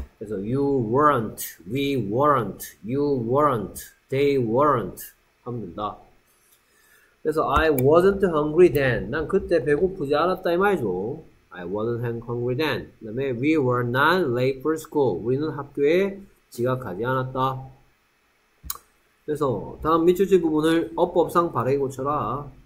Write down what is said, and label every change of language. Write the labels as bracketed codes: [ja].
[ko] 그래서 [en] you weren't, we weren't, you weren't, they weren't [ko] 하면 된다. 그래서 [en] I wasn't hungry then. [ko] 난 그때 배고프지 않았다 이 말이죠. [en] I wasn't hungry then. [ko] 그 다음에 [en] we were not late for school. [ko] 우리는 학교에 지각하지 않았다. 그래서 다음 밑줄지 부분을 어법상 바르게 고쳐라.